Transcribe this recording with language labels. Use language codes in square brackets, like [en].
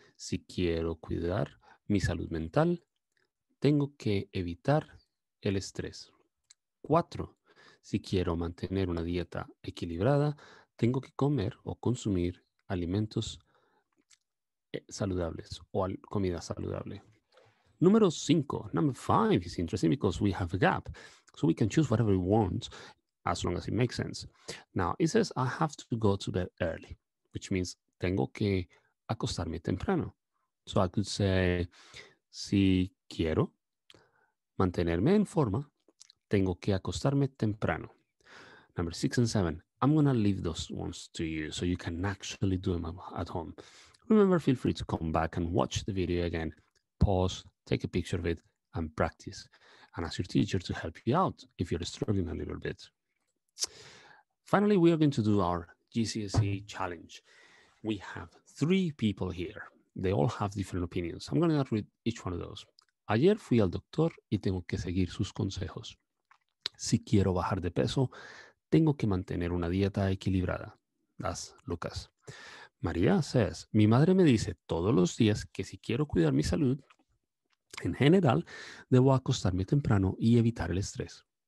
[es] Si quiero cuidar mi salud mental, tengo que evitar el estrés. 4. Si quiero mantener una dieta equilibrada, tengo que comer o consumir alimentos saludables o comida saludable. Número 5. [en] Number 5 is interesting because we have a gap. So we can choose whatever we want as long as it makes sense. Now, it says I have to go to bed early, which means [es] tengo que acostarme temprano. [en] So I could say, [es] si quiero mantenerme en forma, tengo que acostarme temprano. [en] Number 6 and 7. I'm going to leave those ones to you so you can actually do them at home. Remember, feel free to come back and watch the video again. Pause, take a picture of it, and practice. And ask your teacher to help you out if you're struggling a little bit. Finally, we are going to do our GCSE challenge. We have 3 people here. They all have different opinions. I'm going to read each one of those. [es] Ayer fui al doctor y tengo que seguir sus consejos. Si quiero bajar de peso, tengo que mantener una dieta equilibrada. [en] That's Lucas. [es] María says, mi madre me dice todos los días que si quiero cuidar mi salud, en general, debo acostarme temprano y evitar el estrés.